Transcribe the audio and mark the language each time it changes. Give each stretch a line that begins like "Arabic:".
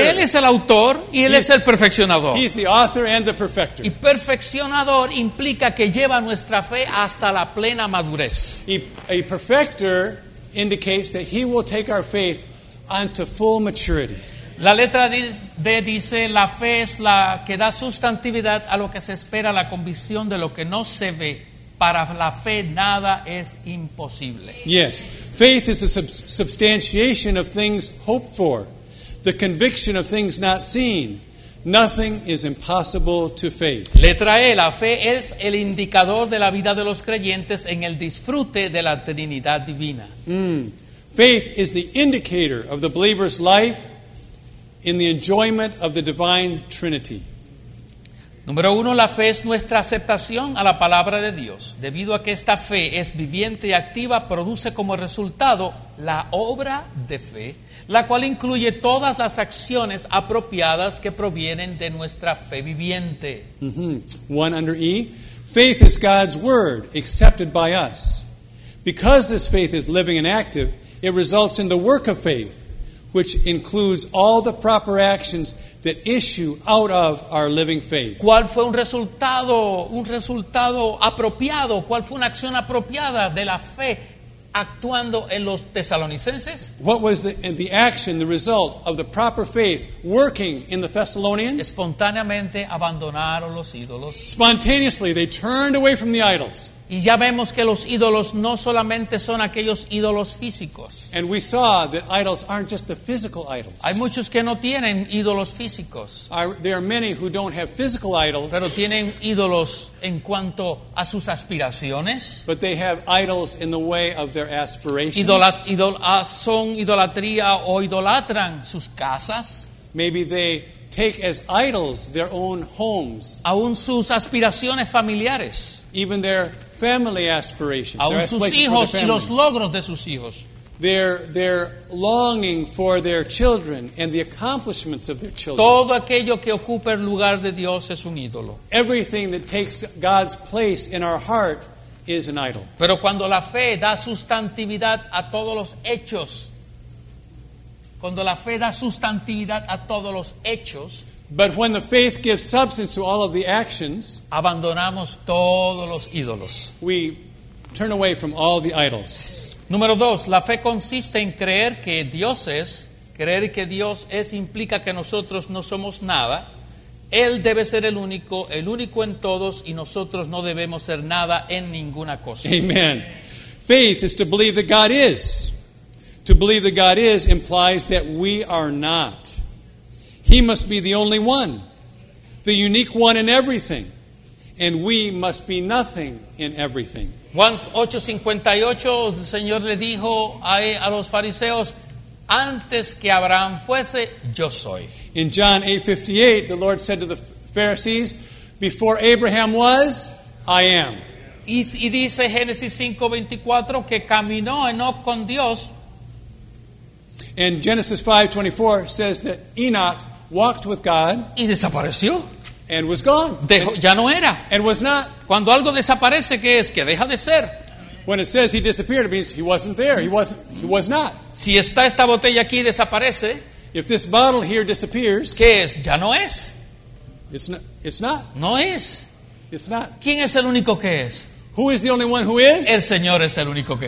Spanish: Él es el autor y él es el perfeccionador.
English: He's the author and the perfecter.
Spanish: Y perfeccionador implica que lleva nuestra fe hasta la plena madurez.
English: A perfecter indicates that he will take our faith unto full maturity.
Spanish: La letra D dice, la fe es la que da sustantividad a lo que se espera, la convicción de lo que no se ve. Para la fe nada es imposible.
English: Yes. Faith is a substantiation of things hoped for, the conviction of things not seen. Nothing is impossible to faith.
Spanish: Letra E, la fe es el indicador de la vida de los creyentes en el disfrute de la Trinidad divina.
English: Faith is the indicator of the believer's life in the enjoyment of the divine Trinity.
Spanish: Número uno, la fe es nuestra aceptación a la palabra de Dios. Debido a que esta fe es viviente y activa, produce como resultado la obra de fe, la cual incluye todas las acciones apropiadas que provienen de nuestra fe viviente.
English: One under E. Faith is God's word accepted by us. Because this faith is living and active, it results in the work of faith, which includes all the proper actions that issue out of our living faith.
Spanish: ¿Cuál fue un resultado apropiado? ¿Cuál fue una acción apropiada de la fe actuando en los Tesalonicenses?
English: What was the action, the result of the proper faith working in the Thessalonians?
Spanish: Espontáneamente abandonaron los ídolos.
English: Spontaneously they turned away from the idols.
Spanish: Y ya vemos que los ídolos no solamente son aquellos ídolos físicos.
English: And we saw that idols aren't just the physical idols.
Spanish: Hay muchos que no tienen ídolos físicos.
English: There are many who don't have physical idols.
Spanish: Pero tienen ídolos en cuanto a sus aspiraciones.
English: But they have idols in the way of their aspirations.
Spanish: Son idolatría o idolatran sus casas.
English: Maybe they take as idols their own homes.
Spanish: Aún sus aspiraciones familiares.
English: Even their family aspirations.
Spanish: Aún sus hijos y los logros de sus hijos.
English: Their longing for their children and the accomplishments of their children.
Spanish: Todo aquello que ocupa el lugar de Dios es un ídolo.
English: Everything that takes God's place in our heart is an idol.
Spanish: Pero cuando la fe da sustantividad a todos los hechos,
English: But when the faith gives substance to all of the actions,
Spanish: abandonamos todos los ídolos.
English: We turn away from all the idols.
Spanish: Número dos, la fe consiste en creer que Dios es. Creer que Dios es implica que nosotros no somos nada. Él debe ser el único en todos, y nosotros no debemos ser nada en ninguna cosa.
English: Amen. Faith is to believe that God is. To believe that God is implies that we are not. He must be the only one, the unique one in everything, and we must be nothing in everything.
Spanish: Juan 8:58, el Señor le dijo a los fariseos, antes que Abraham fuese, yo soy.
English: In John 8:58, the Lord said to the Pharisees, before Abraham was, I am.
Spanish: Y dice Génesis 5:24 que caminó Enoch con Dios.
English: And Genesis 5:24 says that Enoch walked with God,
Spanish: y desapareció,
English: and was gone.
Spanish: Ya no era,
English: and was not.
Spanish: Cuando algo desaparece, ¿qué es? Que deja de ser.
English: When it says he disappeared, it means he wasn't there. He was not.
Spanish: Si está esta botella aquí, desaparece.
English: If this bottle here disappears,
Spanish: ¿qué es? Ya no es.
English: It's not.
Spanish: No es.
English: It's not.
Spanish: ¿Quién es el único que es?
English: Who is the only one who is?
Spanish: El Señor es el único que